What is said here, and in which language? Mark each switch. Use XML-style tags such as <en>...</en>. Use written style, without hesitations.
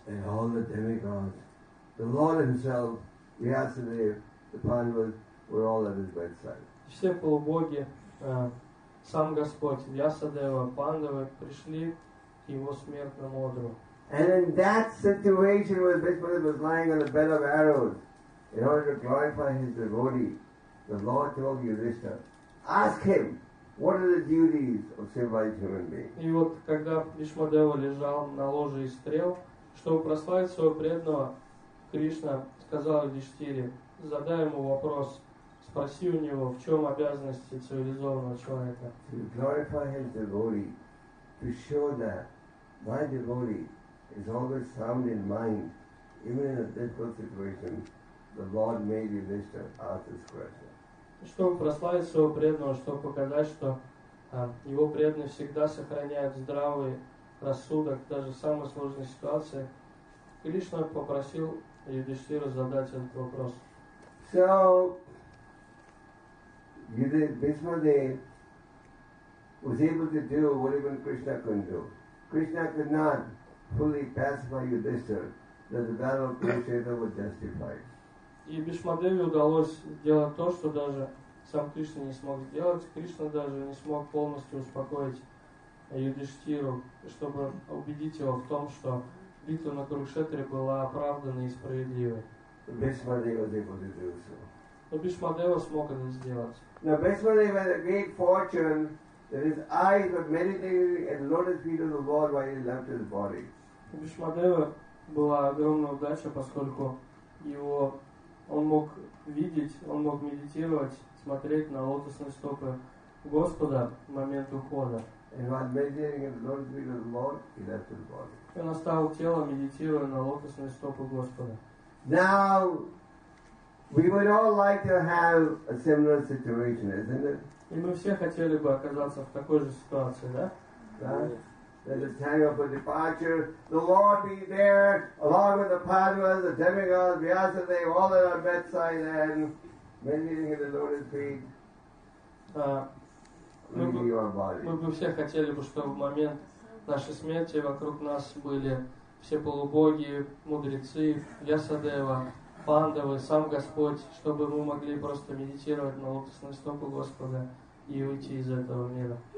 <en>And all the demigods, the Lord himself, Vyasadeva, the Pandavas, were all at his bedside.</en> <ru>Все полубоги, сам Господь, Вьясадева, Пандавы пришли к его смертному одру.</ru> <en>And in that situation where Bhishmadev was lying on a bed of arrows, in order to glorify his devotee, the Lord told Yudhishthira, ask him, what are the duties of civilized human beings?</en> <ru>И вот когда Бхишмадева лежал на ложе из стрел, чтобы прославить своего преданного, Кришна сказал Юдиштхире, задай ему вопрос, спроси у него, в чем обязанности цивилизованного человека.</ru> <en>To glorify his devotee, to show that my devotee is always sound in mind, even in a difficult situation, the Lord made Yudhishthira ask this question.</en> <ru>Чтобы прославить своего преданного, чтобы показать, что его преданный всегда сохраняет здравый рассудок, даже в самой сложной ситуации, Кришна попросил Юдиштхиру задать этот вопрос.</ru> <en>So, Bhishmadev was able to do what even Krishna couldn't do. Krishna could not fully pacify Yudhishthira that the battle of Kurukshetra was justified.</en> <ru>И Бхишмадеве удалось сделать то, что даже сам Кришна не смог сделать. Кришна даже не смог полностью успокоить Юдиштхиру, чтобы убедить его в том, что битва на Курукшетре была оправдана и справедливой.</ru> <en>Bhishmadev was able to do so.</en> <ru>Но Бхишмадева смог это сделать.</ru> <en>Now Bhishmadev had a great fortune that his eyes were meditating at lotus feet of the Lord while he left his body.</en> <ru>У Бхишмадева была огромная удача, поскольку его он мог видеть, он мог медитировать, смотреть на лотосные стопы Господа в момент ухода.</ru> <en>And while meditating at lotus feet of the Lord, he left his body.</en> <ru>И он оставил тело, медитируя на лотосные стопы Господа.</ru> <en>Now we would all like to have a similar situation, isn't it?</en> <ru>И мы все хотели бы оказаться в такой же ситуации, да?</ru> <en>Да. Yes. There's a time of a departure. The Lord be there, along with the Pandavas, the demigods, Vyasadeva, all at our bedside, and meditating at the lotus feet.</en> <ru>Мы бы все хотели бы, чтобы в момент нашей смерти вокруг нас были все полубоги, мудрецы, Вьясадева, Пандавы, сам Господь, чтобы мы могли просто медитировать на лотосные стопы Господа и уйти из этого мира.</ru>